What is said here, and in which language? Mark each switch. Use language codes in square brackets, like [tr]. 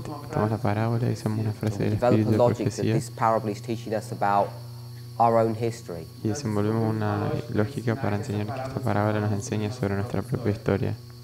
[es] Tomamos la parábola y usamos una frase del espíritu de profecía. [en] This parable is teaching us about our own history. [es] Y desenvolvemos una lógica para enseñar que esta parábola nos enseña sobre nuestra propia historia.